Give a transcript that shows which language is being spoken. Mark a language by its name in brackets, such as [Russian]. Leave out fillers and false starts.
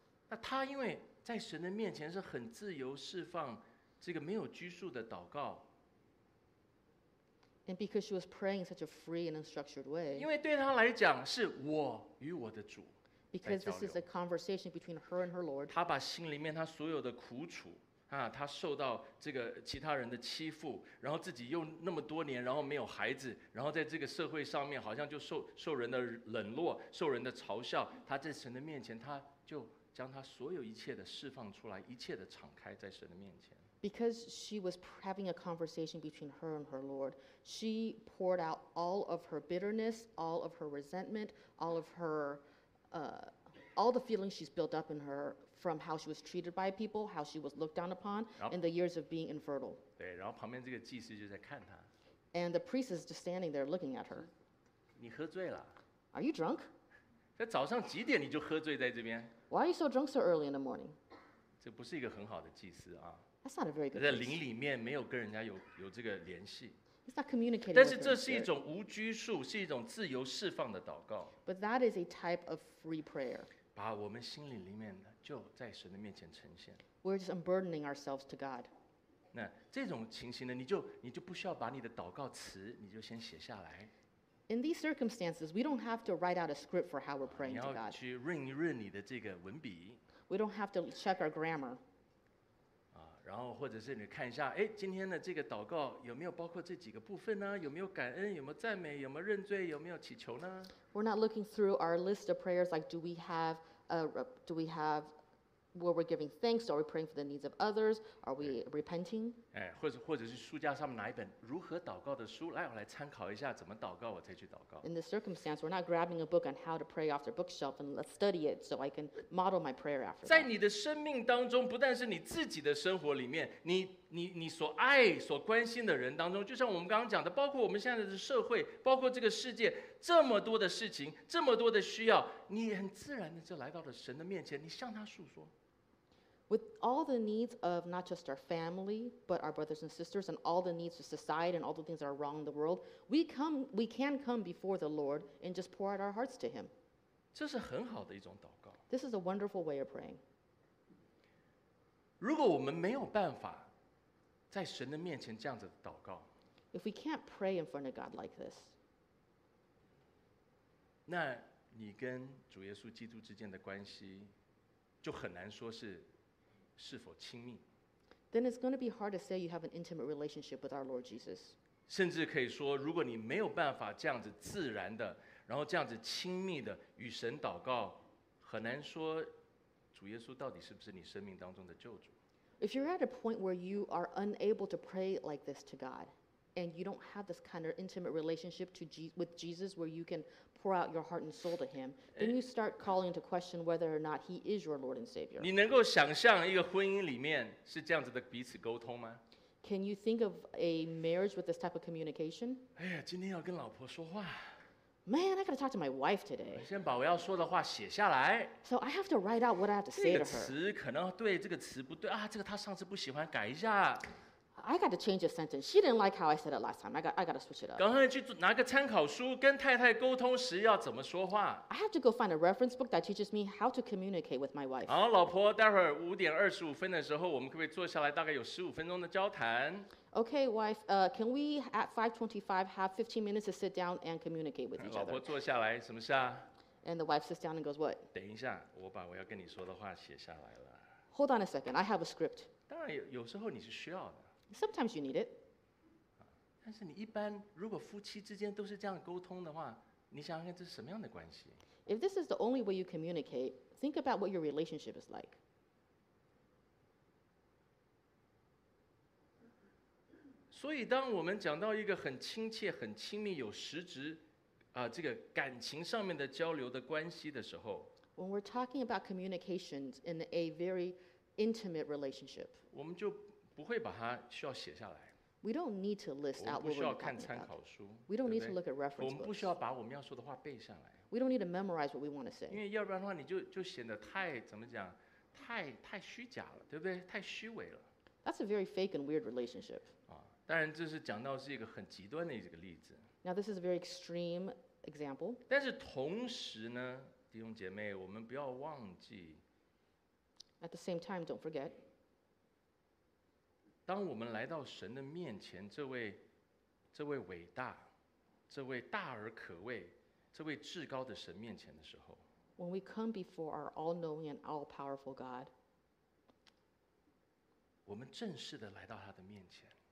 [Chinese] 那他因为在神的面前是很自由释放，这个没有拘束的祷告。 [English] And because she was praying in such a free and unstructured way. [Chinese] 因为对他来讲是我与我的主。 [English] Because this is a conversation between her and her Lord. [Chinese] 他把心里面他所有的苦楚啊，他受到这个其他人的欺负，然后自己又那么多年，然后没有孩子，然后在这个社会上面好像就受人的冷落，受人的嘲笑。他在神的面前，他就将他所有一切的释放出来，一切的敞开在神的面前。 [English] Because she was having a conversation between her and her Lord, she poured out all of her bitterness, all of her resentment, all of her, all the feelings she's built up in her. From how she was treated by people, how she was looked down upon, and the years of being infertile. [Chinese] 对，然后旁边这个祭司就在看他。 [English] And the priest is just standing there looking at her. [Chinese] 你喝醉了。 [English] Are you drunk? [Chinese] 在早上几点你就喝醉在这边 [English] ？Why are you so drunk so early in the morning? [Chinese] 这不是一个很好的祭司啊。 [English] That's not a very good. [Chinese] 在灵里面没有跟人家有这个联系。 [English] It's not communicating. [Chinese] 但是这是一种无拘束，是一种自由释放的祷告。 [English] But that is a type of free prayer. [Chinese] 把我们心里面的就在神的面前呈现。 [English] We're just unburdening ourselves to God. [Chinese] 那这种情形呢，你就不需要把你的祷告词，你就先写下来。 [English] In these circumstances, we don't have to write out a script for how we're praying to God. [Chinese] 你要去润一润你的这个文笔。 [English] We don't have to check our grammar. [Chinese] 啊，然后或者是你看一下，哎，今天的这个祷告有没有包括这几个部分呢？有没有感恩？有没有赞美？有没有认罪？有没有祈求呢？ [English] We're not looking through our list of prayers like, do we have where we're giving thanks? Are we praying for the needs of others? Are we repenting? [Chinese] 或者是书架上面拿一本如何祷告的书，来我来参考一下怎么祷告，我再去祷告。 [English] In this circumstance, we're not grabbing a book on how to pray off the bookshelf and let's study it so I can model my prayer after. [Chinese] 在你的生命当中，不但是你自己的生活里面，你所爱所关心的人当中，就像我们刚刚讲的，包括我们现在的社会，包括这个世界。这么多的事情，这么多的需要，你很自然的就来到了神的面前，你向他诉说。 [English] With all the needs of not just our family, but our brothers and sisters, and all the needs of society, and all the things that are wrong in the world, we can come before the Lord and just pour out our hearts to Him. [Chinese] 这是很好的一种祷告。 [English] This is a wonderful way of praying. [Chinese] 如果我们没有办法在神的面前这样子祷告。 [English] If we can't pray in front of God like this, [Chinese] 那你跟主耶稣基督之间的关系就很难说是是否亲密。 [English] Then it's going to be hard to say you have an intimate relationship with our Lord Jesus. [Chinese] 甚至可以说，如果你没有办法这样子自然的，然后这样子亲密的与神祷告，很难说主耶稣到底是不是你生命当中的救主。 [English] If you're at a point where you are unable to pray like this to God, and you don't have this kind of intimate relationship to with Jesus where you can pour out your heart and soul to Him, then you start calling into question whether or not He is your Lord and Savior. [Chinese] 你能够想象一个婚姻里面是这样子的彼此沟通吗？ [English] Can you think of a marriage with this type of communication? [Chinese] 哎呀，今天要跟老婆说话。 [English] Man, I gotta talk to my wife today. [Chinese] 先把我要说的话写下来。 [English] So I have to write out what I have to say to her. [Chinese] 这个词可能对，这个词不对啊，这个她上次不喜欢，改一下。 [English] I got to change the sentence. She didn't like how I said it last time. I got to switch it up. [Chinese] 赶快去拿个参考书，跟太太沟通时要怎么说话。 [English] I have to go find a reference book that teaches me how to communicate with my wife. [Chinese] 好，老婆，待会儿5:25的时候，我们可不可以坐下来，大概有15分钟的交谈？ [English] Okay, wife, can we at 5:25 have 15 minutes to sit down and communicate with each other? [Chinese] 老婆坐下来，什么事啊？ [English] And the wife sits down and goes, what? [Chinese] 等一下，我把我要跟你说的话写下来了。 [English] Hold on a second, I have a script. [Chinese] 当然有时候你是需要的。 [English] Sometimes you need it. [Chinese] 但是你一般，如果夫妻之间都是这样沟通的话，你想想看这是什么样的关系？ [English] If this is the only way you communicate, think about what your relationship is like. [Chinese] 所以当我们讲到一个很亲切很亲密有实质这个感情上面的交流的关系的时候， [English] When we're talking about communications in a very intimate relationship, [Chinese] 我们就不会把它需要写下来。 [English] We don't need to list out what we're talking about. [Chinese] 我们不需要看参考书。 [English] We don't need to look at reference books. [Chinese] 我们不需要把我们要说的话背上来。 [English] We don't need to memorize what we want to say. [Chinese] 因为要不然的话你就显得太怎么讲太虚假了，对不对？太虚伪了。 [English] That's a very fake and weird relationship. [Chinese] 当然这是讲到是一个很极端的一个例子。 [English] Now this is a very extreme example. [Chinese] 但是同时呢，弟兄姐妹，我们不要忘记。 [English] At the same time, don't forget. [Chinese] 当我们来到神的面前，这位伟大，这位大而可畏，这位至高的神面前的时候。 [English] When we come before our all-knowing and all-powerful God. [Chinese] 我们正式的来到他的面前。